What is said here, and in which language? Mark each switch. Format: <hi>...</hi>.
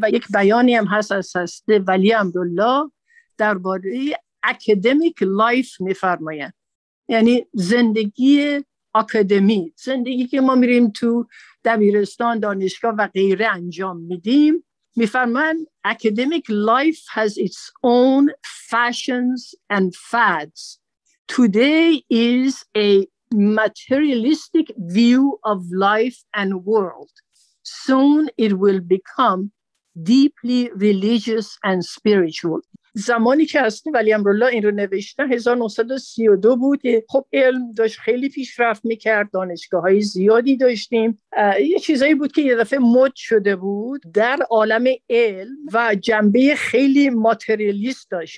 <fa>و یک بیانی هم هست از حضرت ولی عبدالله درباره</fa> <en>academic life</en> <fa>می فرماین، یعنی زندگی آکادمی، زندگی که ما میریم تو دبیرستان، دانشگاه و غیره انجام میدیم، میفرمان</fa> <en>academic life has its own fashions and fads. Today is a materialistic view of life and world. Soon it will become deeply religious and spiritual.</en> <fa>زمانی که حسن ولی امرالله این رو نوشتن 1932 بود. خب علم داشت خیلی پیشرفت میکرد، دانشگاه های زیادی داشتیم، یه چیزایی بود که یه دفعه مد شده بود در عالم علم و جنبه خیلی ماتریالیست داشت.</fa>